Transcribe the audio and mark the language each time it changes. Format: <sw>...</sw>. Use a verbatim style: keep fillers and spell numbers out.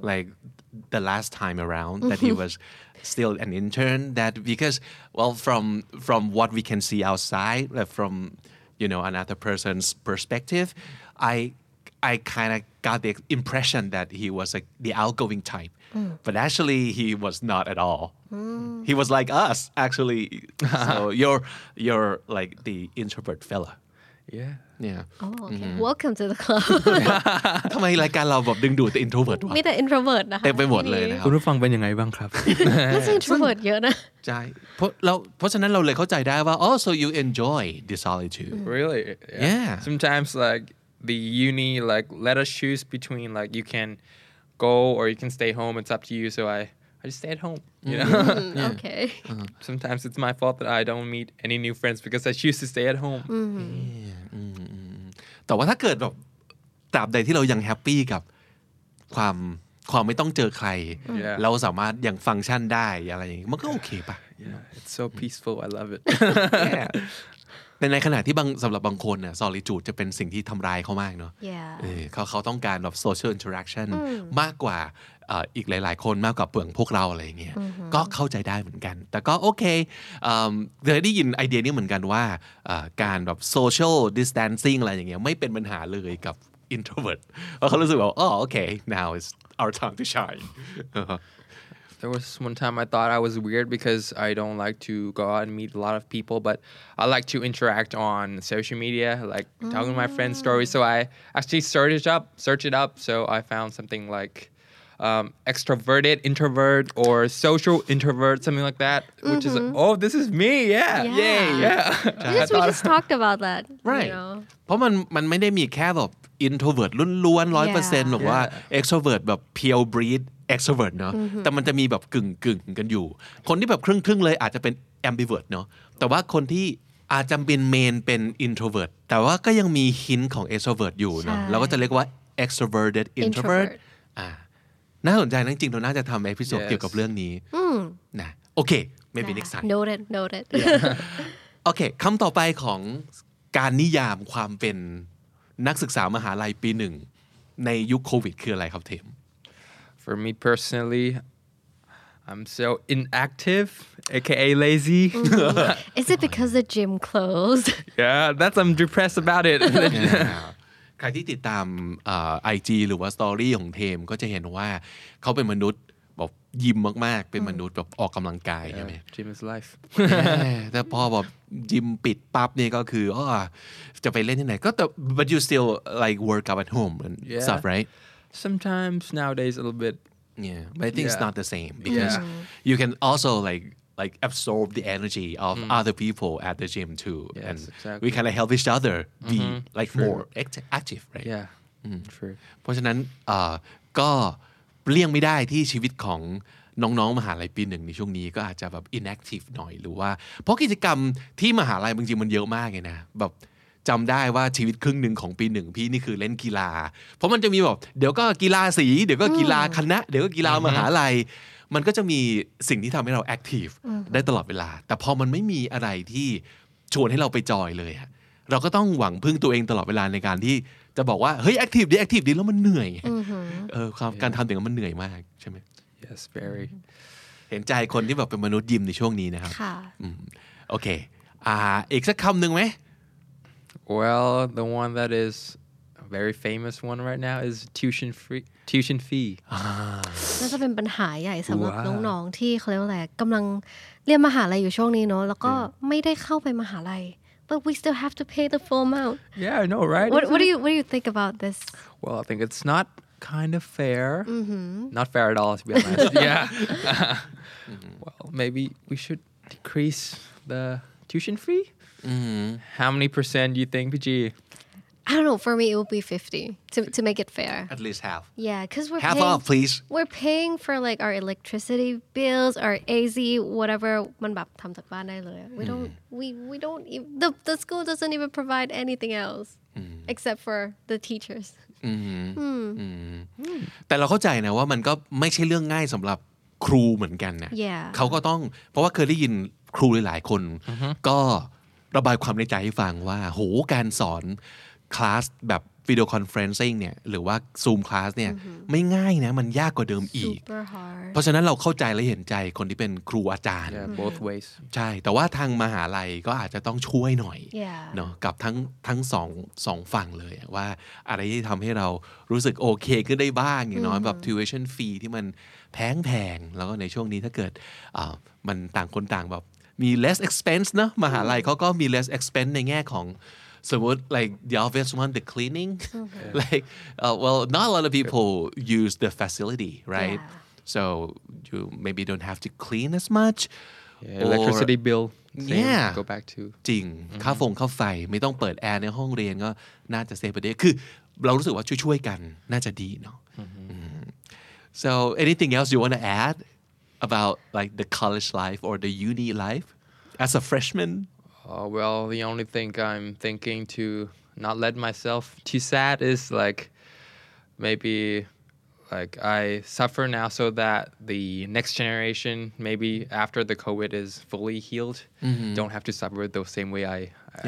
<en>like the last time around that he was still an intern that because well from from what we can see outside like from you know another person's perspective I I kind of got the impression that he was like the outgoing type mm. but actually he was not at all mm. he was like us actually so you're you're like the introvert fella yeah yeah oh okay mm-hmm. welcome to the club</en> <th>ทำไมรายการเราแบบดึงดูดแต่ introvert วะ มีแต่ introvert นะคะ เต็มไปหมดเลยนะครับ คุณผู้ฟังเป็นยังไงบ้างครับ ก็จะ introvert เยอะนะ ใช่เพราะเราเพราะฉะนั้นเราเลยเข้าใจได้ว่า</th> <en>oh so you enjoy the solitude really yeah. yeah sometimes like the uni like let us choose between like you can go or you can stay home it's up to you so I I just stay at home you know mm, yeah. okay uh-huh. sometimes it's my fault that I don't meet any new friends because I choose to stay at home mm. yeah.</en> <th>แต่ว่าถ้าเกิดแบบตราบใดที่เรายังแฮปปี้กับความความไม่ต้องเจอใคร</th> <en>yeah.</en> <th>เราสามารถยังฟังก์ชันได้อะไรอย่างนี้มันก็โอเคป่ะ</th> <en>yeah. it's so peaceful I love it</en> <th>แต่ในขณะที่บางสำหรับบางคนน่ะ solitude จะเป็นสิ่งที่ทำร้ายเขามากเนาะ</th> <en>yeah.</en> <th>เออเขาเขาต้องการแบบ social interaction มากกว่าอีกหลายๆคนมากกว่าเปลืองพวกเราอะไรอย่างเงี้ยก็เข้าใจได้เหมือนกันแต่ก็โอเคเคยได้ยินไอเดียนี้เหมือนกันว่าการแบบ social distancing อะไรอย่างเงี้ยไม่เป็นปัญหาเลยกับ introvert เขารู้สึกว่า</th> <en>oh okay now it's our time to shine There was one time I thought I was weird because I don't like to go out and meet a lot of people, but I like to interact on social media, like mm. talking to my friends' stories. So I actually searched it up, searched it up. So I found something like um, extroverted introvert or social introvert, something like that, mm-hmm. which is like, oh, this is me, yeah, yeah, yay, yeah. Yes, we just talked about that, right? You know?</en> <th>เพราะมันมันไม่ได้มีแค่แบบ introvert ล้วนๆ ร้อยเปอร์เซ็นต์ หรือว่า extrovert แบบ pure breed. extrovert เนาะแต่มันจะมีแบบกึ่งๆกันอยู่คนที่แบบครึ่งๆเลยอาจจะเป็น ambivert เนาะแต่ว่าคนที่อาจจะเป็น main เป็น introvert แต่ว่าก็ยังมี hint ของ extrovert อยู่เนาะเราก็จะเรียกว่า extroverted introvert อ่าน่าสนใจนะจริงๆเราน่าจะทำเอพิโซดเกี่ยวกับเรื่องนี้นะโอเค</th> <en>maybe next time noted noted</en> <th>โอเคคำต่อไปของการนิยามความเป็นนักศึกษามหาลัยปีหนึ่งในยุคโควิดคืออะไรครับเทม</th> <en>For me personally, I'm so inactive, aka lazy. Mm-hmm. Is it because the gym closed? Yeah, that's I'm depressed about it.</en> <th>ใครที่ติดตามเอ่อ ไอ จี หรือว่าสตอรี่ของเทมก็จะเห็นว่าเขาเป็นมนุษย์แบบยิมมากๆเป็นมนุษย์แบบออกกำลังกายใช่มั้ย</th> <en>Gym is life.</en> <th>แต่พอแบบยิมปิดปั๊บนี่ก็คืออ้อจะไปเล่นที่ไหนก็แต่</th> <en>but you still like work out at home and yeah. stuff, right? Sometimes nowadays a little bit. Yeah, but I think yeah. it's not the same because yeah. you can also like like absorb the energy of mm. other people at the gym too, yes, and exactly. we kind of help each other be mm-hmm. like True. more act- active, right? Yeah, mm. True.</en> <th>เพราะฉะนั้นก็เลี่ยงไม่ได้ที่ชีวิตของน้องๆมหาลัยปีหนึ่งในช่วงนี้ก็อาจจะแบบ inactive หน่อยหรือว่าเพราะกิจกรรมที่มหาลัยบางทีมันเยอะมากเลยนะแบบจำได้ว่าชีวิตครึ่งหนึ่งของปีหนึ่งพี่นี่คือเล่นกีฬาเพราะมันจะมีแบบเดี๋ยวก็กีฬาสีเดี๋ยวก็กีฬาคณะเดี๋ยวก็กีฬามหาลัยมันก็จะมีสิ่งที่ทำให้เราแอคทีฟได้ตลอดเวลาแต่พอมันไม่มีอะไรที่ ชวนให้เราไปจอยเลยเราก็ต้องหวังพึ่งตัวเองตลอดเวลาในการที่จะบอกว่าเฮ้ยแอคทีฟดิแอคทีฟดิแล้วมันเหนื่อยเออการทำอย่างนั้นมันเหนื่อยมากใช่ไหม</th> <en>yes very</en> <th>เห็นใจคนที่แบบเป็นมนุษย์ยิมในช่วงนี้นะครับ ค่ะ โอเคอ่าอีกสักคำหนึ่งไหม</th> <en>Well, the one that is a very famous one right now is tuition free tuition fee.</en> <th>น่าจะเป็นปัญหาใหญ่สำหรับน้องๆที่เขาเรียกว่าอะไรกำลังเรียนมหาลัยอยู่ช่วงนี้เนาะแล้วก็ไม่ได้เข้าไปมหาลัย</th> <en>but we still have to pay the full amount. Yeah, I know, right? What, what do you what do you think about this? Well, I think it's not kind of fair. Mm-hmm. Not fair at all, to be honest. Yeah. Mm-hmm. Well, maybe we should decrease the tuition fee. Mm-hmm. How many percent do you think, P G? I don't know. For me, it would be fifty to to make it fair. At least half. Yeah, because we're half paying, off, please. We're paying for like our electricity bills, our A C, whatever. We don't. We we don't. The the school doesn't even provide anything else mm. except for the teachers.</en> <th>แต่เราเข้าใจนะว่ามันก็ไม่ใช่เรื่องง่ายสำหรับครูเหมือนกันนะ</th> <en>yeah.</en> <th>เขาก็ต้องเพราะว่าเคยได้ยินครูหลายๆคน uh-huh. ก็ระบายความในใจให้ฟังว่าโหการสอนคลาสแบบวิดีโอคอนเฟรนซิ่งเนี่ยหรือว่าซูมคลาสเนี่ย mm-hmm. ไม่ง่ายนะมันยากกว่าเดิมอีก</th> <en>Super hard.</en> <th>เพราะฉะนั้นเราเข้าใจและเห็นใจคนที่เป็นครูอาจารย์</th> <en>yeah, both ways</en> <th>ใช่แต่ว่าทางมหาลัยก็อาจจะต้องช่วยหน่อย</th> <en>yeah.</en> <th>เนาะกับทั้งทั้งสองสองฝั่งเลยว่าอะไรที่ทำให้เรารู้สึกโอเคขึ้นได้บ้างอย่างน้อย mm-hmm. แบบ tuition fee ที่มันแพงแพงแล้วก็ในช่วงนี้ถ้าเกิดอ่ามันต่างคนต่างแบบมี less expense เนาะมหาลัยเขาก็มี less expense ในแง่ของ</th> <en>So what, like the obvious one, the cleaning. Okay. Like, uh, well, not a lot of people use the facility, right? Yeah. So you maybe don't have to clean as much. Yeah, or, electricity bill. Same, yeah. Go back to.</en> <th>จริงค่าฟงค่าไฟไม่ต้องเปิดแอร์ในห้องเรียนก็น่าจะเซฟไปได้คือเรารู้สึกว่าช่วยๆกันน่าจะดีเนาะ</th> <en>So anything else you want to add about like the college life or the uni life as a freshman? Uh, well, the only thing I'm thinking to not let myself too sad is like maybe like I suffer now so that the next generation, maybe after the COVID is fully healed, mm-hmm. don't have to suffer the same way I, I,</en>